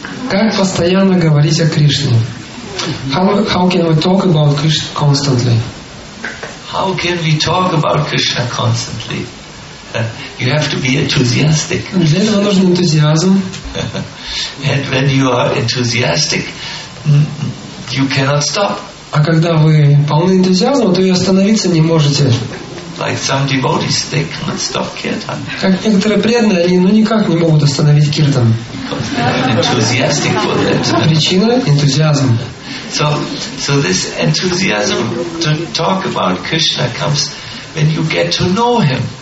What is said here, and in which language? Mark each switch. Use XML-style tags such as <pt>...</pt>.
<ru>Как постоянно говорить о Кришне?</ru> <en>How can we talk about Krishna constantly? How can we talk about Krishna constantly? You have to be enthusiastic.</en> <ru>Для этого нужен энтузиазм.</ru> <en>And when you are enthusiastic, you cannot stop.</en> <ru>А когда вы полны энтузиазма, то и остановиться не можете.</ru> <en>Like some devotees, they can't stop kirtan.</en> <ru>Как некоторые преданные, они никак не могут остановить киртан.</ru> <en>Enthusiastic for that.</en> <ru>Причина – энтузиазм.</ru> <en>So this enthusiasm to talk about Krishna comes when you get to know him.</en>